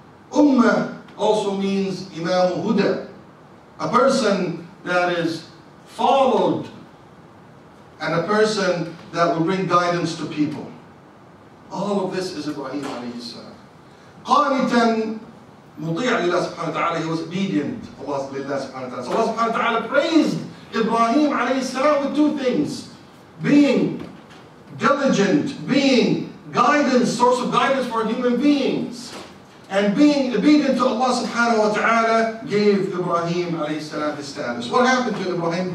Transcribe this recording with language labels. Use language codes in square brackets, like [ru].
[en] Ummah also means Imam Huda, a person that is followed and a person that will bring guidance to people. All of this is Ibrahim alayhi salam. [ar] قانتاً مطيع لله سبحانه وتعالى. [en] He was obedient [ar] لله سبحانه وتعالى. [en] So Allah سبحانه وتعالى praised Ibrahim [ar] عليه السلام [en] with two things: being diligent, being guidance, source of guidance for human beings, and being obedient to Allah سبحانه وتعالى gave Ibrahim عليه السلام his status. What happened to Ibrahim?